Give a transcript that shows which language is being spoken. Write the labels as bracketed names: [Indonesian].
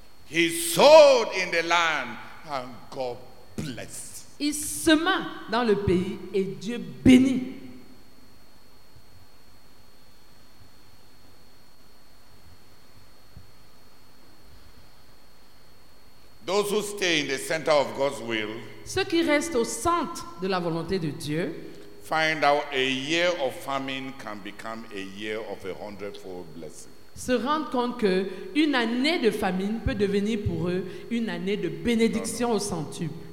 [English] He sowed in the land and God blessed. [French] Il sema dans le pays et Dieu bénit. [English] Those who stay in the center of God's will, [French] ceux qui restent au centre de la volonté de Dieu, [English] find out a year of famine can become a year of a hundredfold blessing. [French] Se rendre compte qu'une année de famine peut devenir pour eux une année de bénédiction au centuple.